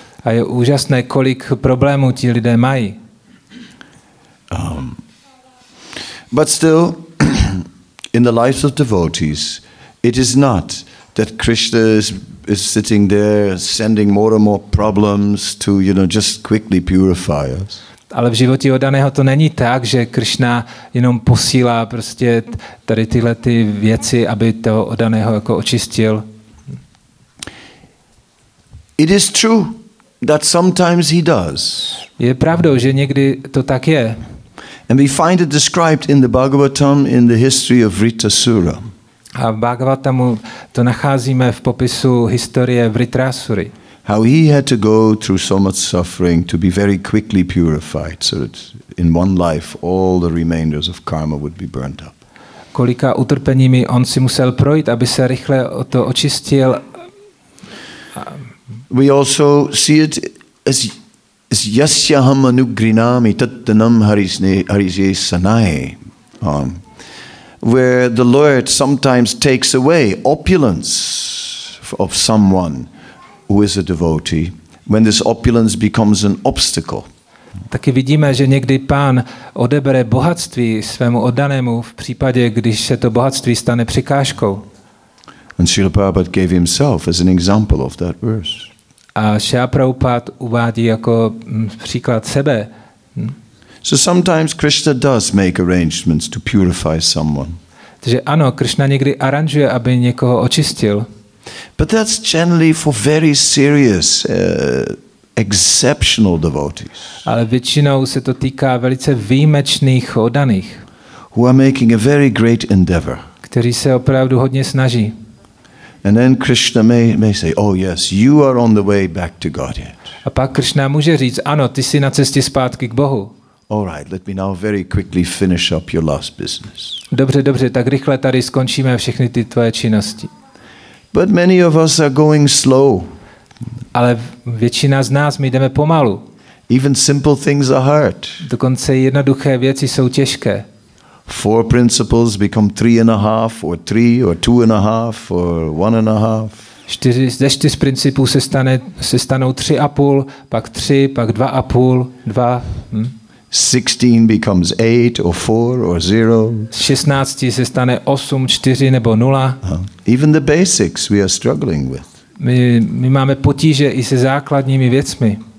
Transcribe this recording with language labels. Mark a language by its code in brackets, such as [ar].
[cs] A je úžasné, kolik problémů ti lidé mají. [en] But still, in the lives of devotees, it is not that Krishna is sitting there sending more and more problems to, you know, just quickly purify us. [cs] Ale v životě oddaného to není tak, že Krishna jenom posílá prostě tady tyhle ty věci, aby to oddaného jako očistil. [en] It is true that sometimes he does. [cs] Je pravdou, že někdy to tak je. [en] And we find it described in the Bhagavatam in the history of Vritasura. [cs] A v Bhagavatamu to nacházíme v popisu historie Vritrasury. [en] How he had to go through so much suffering to be very quickly purified so that in one life all the remainders of karma would be burnt up. [cs] Kolika utrpeními on si musel projít, aby se rychle to očistil. [en] We also see it as [sa] yasyaham anugrinami tattanam harisye sanai. [en] Where the Lord sometimes takes away opulence of someone who is a devotee when this opulence becomes an obstacle. [cs] Taky vidíme, že někdy pán odebere bohatství svému oddanému v případě, když se to bohatství stane překážkou. [en] And Srila Prabhupada gave himself as an example of that verse. [cs] A Srila Prabhupada uvádí jako příklad sebe. [en] So sometimes Krishna does make arrangements to purify someone. [cs] Takže ano, Krishna někdy aranžuje, aby někoho očistil. [en] But that's generally for very serious exceptional devotees. [cs] Ale většinou se to týká velice výjimečných oddaných. [en] Who are making a very great endeavor. [cs] Kteří se opravdu hodně snaží. [en] And then Krishna may say, "Oh yes, you are on the way back to Godhead." [cs] A pak Krishna může říct: "Ano, ty jsi na cestě zpátky k Bohu." [en] All right, let me now very quickly finish up your last business. [cs] Dobře, tak rychle tady skončíme všechny ty tvoje činnosti. [en] But many of us are going slow. [cs] Ale většina z nás, my jdeme pomalu. [en] Even simple things are hard. [cs] Dokonce jednoduché věci jsou těžké. [en] Four principles become 3.5, or 3, or 2.5, or 1.5. [cs] Ze 4 principů se stanou 3.5, pak 3, pak 2.5, 2. [en] 16 becomes 8 or 4 or 0. [cs] 16 se stane 8, 4 nebo 0. [en] Even the basics we are struggling with. [cs] My máme potíže i se základními věcmi.